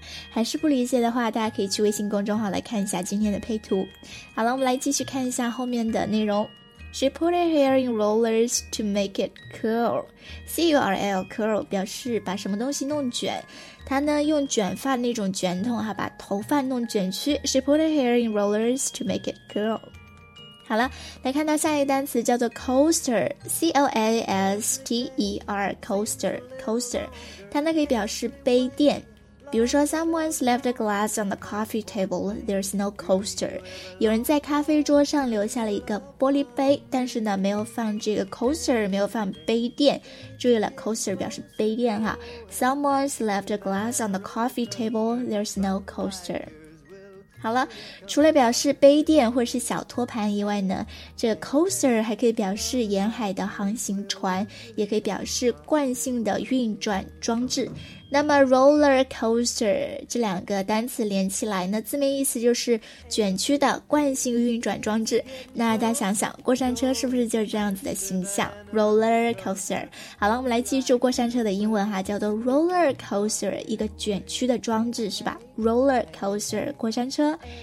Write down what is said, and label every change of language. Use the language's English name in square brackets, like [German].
[Chinese] 还是不理解的话大家可以去微信公众号来看一下今天的配图好了我们来继续看一下后面的内容 She put her hair in rollers to make it curl C-U-R-L curl 表示把什么东西弄卷她呢用卷发那种卷筒把头发弄卷曲 She put her hair in rollers to make it curl好了来看到下一个单词叫做 coaster, C-O-A-S-T-E-R, coaster, 它呢可以表示杯垫。 [English] 比如说 someone's left a glass on the coffee table, there's no coaster. [Chinese] 有人在咖啡桌上留下了一个玻璃杯但是呢没有放这个 coaster, 没有放杯垫。注意了 coaster 表示杯垫哈。 [English] Someone's left a glass on the coffee table, there's no coaster. [Chinese] 好了除了表示杯垫或是小托盘以外呢这个 coaster 还可以表示沿海的航行船也可以表示惯性的运转装置那么 roller coaster 这两个单词连起来呢字面意思就是卷曲的惯性运转装置那大家想想过山车是不是就是这样子的形象 roller coaster 好了我们来记住过山车的英文哈叫做 roller coaster 一个卷曲的装置是吧 roller coaster 过山车